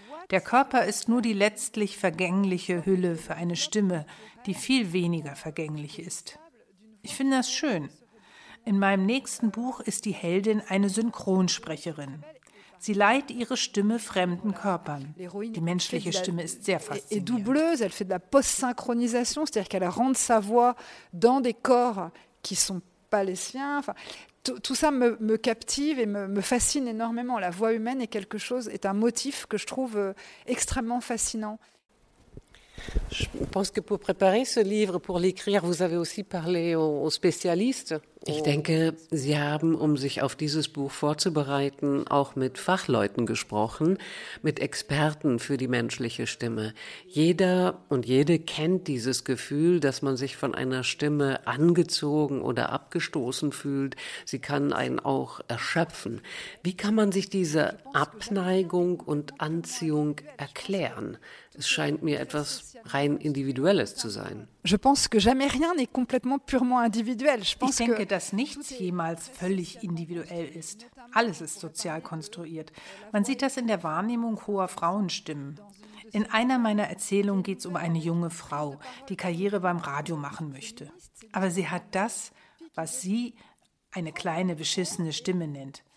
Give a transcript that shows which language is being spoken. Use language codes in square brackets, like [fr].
[de] Der Körper ist nur die letztlich vergängliche Hülle für eine Stimme, die viel weniger vergänglich ist. Ich finde das schön. In meinem nächsten Buch ist die Heldin eine Synchronsprecherin. Sie leiht ihre Stimme fremden Körpern. Die menschliche Stimme ist sehr faszinierend. [fr] doubleuse, elle fait de la post-synchronisation, c'est-à-dire qu'elle rend sa voix dans des corps qui sont pas les siens. Tout ça me captive et me fascine énormément. La voix humaine est quelque chose, est un motif que je trouve extrêmement fascinant. Je pense que pour préparer ce livre, pour l'écrire, vous avez aussi parlé aux spécialistes. [de] Ich denke, Sie haben, um sich auf dieses Buch vorzubereiten, auch mit Fachleuten gesprochen, mit Experten für die menschliche Stimme. Jeder und jede kennt dieses Gefühl, dass man sich von einer Stimme angezogen oder abgestoßen fühlt. Sie kann einen auch erschöpfen. Wie kann man sich diese Abneigung und Anziehung erklären? Es scheint mir etwas rein Individuelles zu sein. [fr] Je pense que jamais rien n'est complètement purement individuel. [de] Ich denke, dass nichts jemals völlig individuell ist. Alles ist sozial konstruiert. Man sieht das in der Wahrnehmung hoher Frauenstimmen. In einer meiner Erzählungen geht es um eine junge Frau, die Karriere beim Radio machen möchte. Aber sie hat das, was sie eine kleine, beschissene Stimme nennt.